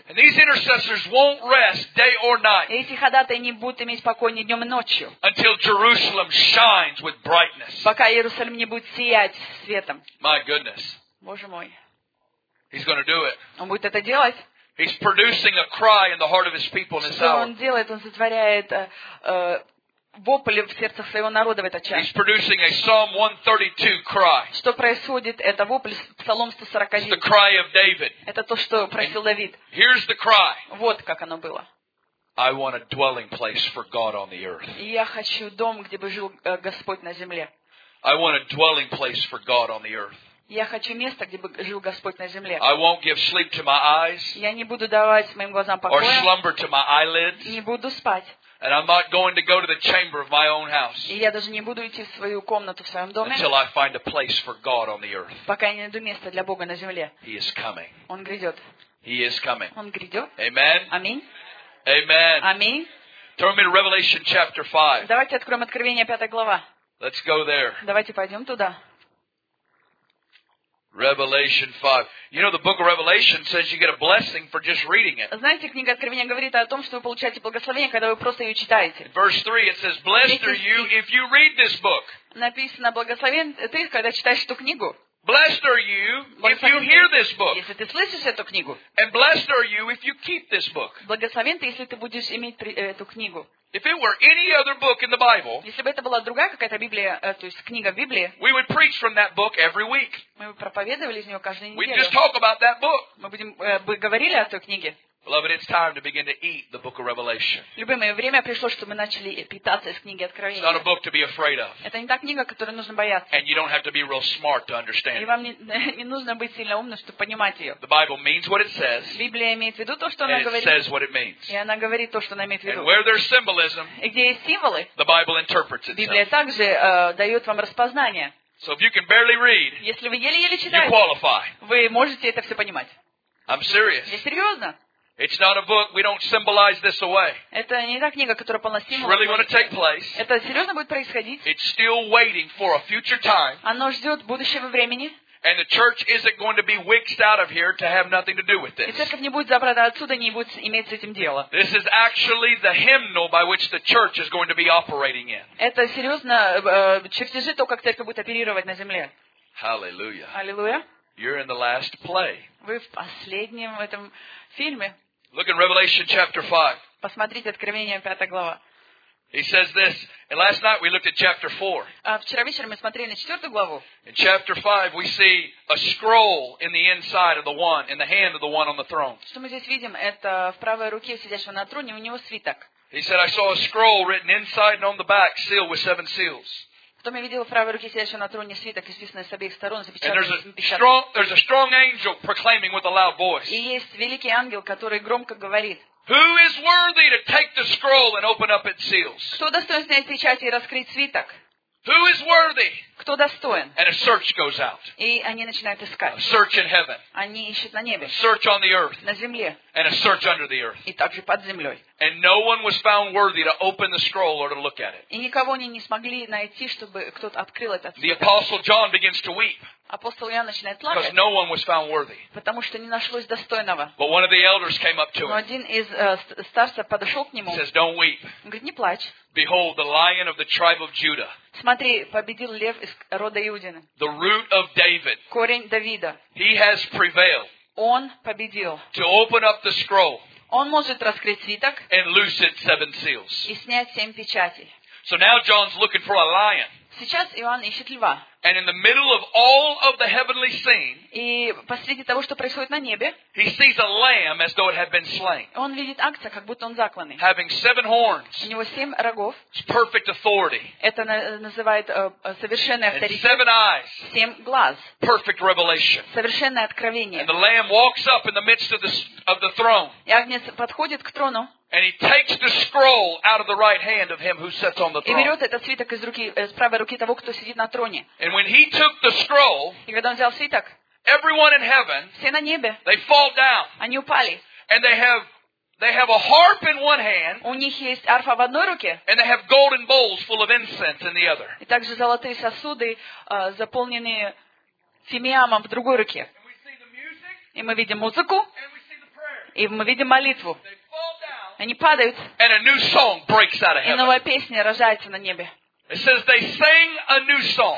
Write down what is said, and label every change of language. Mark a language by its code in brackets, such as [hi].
[en] And these intercessors won't rest day or night. [ru] Эти ходатай не будут иметь покоя ни днем, ни ночью. [en] Until Jerusalem shines with brightness. [ru] Пока Иерусалим не будет сиять светом. [en] My goodness. [ru] Боже мой. [en] He's going to do it. [ru] Он будет это делать. [en] He's producing a cry in the heart of his people in this hour. [ru] Что он делает? Он сотворяет вопль в сердцах своего народа в этот час. [en] He's producing a Psalm 132 cry. [ru] Что происходит? Это вопль Псалом 142. [en] It's the cry of David. [ru] Это то, что просил Давид. [en] Here's the cry. [ru] Вот как оно было. [en] I want a dwelling place for God on the earth. [ru] Я хочу дом, где бы жил Господь на земле. [en] I want a dwelling place for God on the earth. [ru] Я хочу место, где бы жил Господь на земле. [en] I won't give sleep to my eyes. [ru] Я не буду давать моим глазам покоя. [en] Or slumber to my eyelids. [ru] Не буду спать. [en] And I'm not going to go to the chamber of my own house. [ru] И я даже не буду идти в свою комнату в своем доме. [en] Until I find a place for God on the earth. [ru] Пока я не найду место для Бога на земле. [en] He is coming. [ru] Он грядет. [en] He is coming. [ru] Он грядет. [en] Amen. [ru] Аминь. [en] Amen. [ru] Аминь. [en] Turn me to Revelation chapter 5. [ru] Давайте откроем Откровение 5 глава. [en] Let's go there. [ru] Давайте пойдем туда. [en] Revelation 5. You know the book of Revelation says you get a blessing for just reading it. [ru] Знаете, книга Откровения говорит о том, что вы получаете благословение, когда вы просто ее читаете. [en] Verse 3 it says blessed are you if you read this book. [ru] Написано благословен ты, когда читаешь эту книгу. [en] Blessed are you if you hear this book. [ru] Если ты слышишь эту книгу. [en] And blessed are you if you keep this book. [ru] Благословен ты, если ты будешь иметь эту книгу. [en] If it were any other book in the Bible, [ru] если бы это была другая какая-то Библия, то есть книга в Библии, [en] we would preach from that book every week. [ru] Мы бы проповедовали из нее каждую неделю. [en] We'd just talk about that book. [ru] Мы будем говорили о той книге. [en] Beloved, it's time to begin to eat the book of Revelation. [ru] Любимое время пришло, чтобы мы начали питаться из книги Откровения. [en] It's not a book to be afraid of. [ru] Это не та книга, которую нужно бояться. [en] And you don't have to be real smart to understand. [ru] И вам не нужно быть сильно умным, чтобы понимать ее. [en] The Bible means what it says. [ru] Библия имеет в виду то, что она говорит. [en] It says what it means. [ru] И она говорит то, что она имеет в виду. [en] And where there's symbolism, [ru] и где есть символы, [en] the Bible interprets it. [ru] Библия также дает вам распознание. [en] So if you can barely read, [ru] если вы еле-еле читаете, [en] you qualify. [ru] Вы можете это все понимать. [en] I'm serious. [ru] Я серьезно. [en] It's not a book. We don't symbolize this away. [ru] Это не та книга, которая полна символов. [en] It's really going to take place. [ru] Это серьезно будет происходить. [en] It's still waiting for a future time. [ru] Оно ждет будущего времени. [en] And the church isn't going to be whisked out of here to have nothing to do with this. [ru] И церковь не будет забрана отсюда, не будет иметь с этим дела. [en] This is actually the hymnal by which the church is going to be operating in. [ru] Это серьезно чертежи то, как церковь будет оперировать на земле. [en] Hallelujah. Hallelujah. You're in the last play. [ru] Вы в последнем этом фильме. [en] Look in Revelation chapter 5. [ru] Посмотрите Откровение 5 глава. [en] He says this. And last night we looked at chapter 4. [ru] Вчера вечером мы смотрели на четвертую главу. [en] In chapter 5 we see a scroll in the inside of the one, in the hand of the one on the throne. [ru] Что мы здесь видим? Это в правой руке сидящего на троне, у него свиток. [en] He said, I saw a scroll written inside and on the back, sealed with seven seals. [ru] Потом я видел в правой руке сидящего на троне свиток, исписанный с обеих сторон, запечатанный. И есть великий ангел, который громко говорит. [en] Who is worthy to take the scroll and open up its seals? [ru] Кто достоин снять печать и раскрыть свиток? [en] Who is worthy? [ru] Кто достоин? [en] And a search goes out. [ru] И они начинают искать. [en] A search in heaven. [ru] Они ищут на небе. [en] A search on the earth. [ru] На земле. [en] And a search under the earth. [ru] И также под землей. [en] And no one was found worthy to open the scroll or to look at it. [ru] И никого они не смогли найти, чтобы кто-то открыл этот свиток. [en] The apostle John begins to weep. [ru] Апостол Иоанн начинает плакать. [en] Because no one was found worthy. [ru] Потому что не нашлось достойного. [en] But one of the elders came up to him. [ru] Но один из старцев подошел к нему. [en] He says, "Don't weep." [ru] Говорит, не плачь. [en] Behold, the lion of the tribe of Judah. [ru] Смотри, победил лев из рода Иудины. [en] The root of David. [ru] Корень Давида. [en] He has prevailed. [ru] Он победил. [en] To open up the scroll. [ru] Он может раскрыть свиток. [en] And loose its seven seals. [ru] И снять семь печатей. [en] So now John's looking for a lion. [ru] Сейчас Иоанн ищет льва. [en] And in the middle of all of the heavenly scene, [ru] и посреди того, что происходит на небе, [en] he sees a lamb as though it had been slain. [ru] Он видит агнца, как будто он закланный. [en] Having seven horns, [ru] у него семь рогов. [en] It's perfect authority. [ru] Это называет совершенный авторитет. [en] And seven eyes, [ru] семь глаз. [en] Perfect revelation. [ru] Совершенное откровение. [en] And the lamb walks up in the midst of the throne. [ru] И агнец подходит к трону. [en] And he takes the scroll out of the right hand of him who sits on the throne. [ru] И берет этот свиток из руки, из правой руки того, кто сидит на троне. [en] And when he took the scroll, [ru] и когда он взял свиток, [en] everyone in heaven, [ru] все на небе, [en] they fall down. [ru] Они упали. [en] And they have a harp in one hand. [ru] У них есть арфа в одной руке. [en] And they have golden bowls full of incense in the other. [ru] И также золотые сосуды, заполненные тимьямом в другой руке. И мы видим музыку. И мы видим молитву. Они падают. [en] And a new song breaks out of heaven. [ru] И новая песня рождается на небе. [en] It says they sing a new song.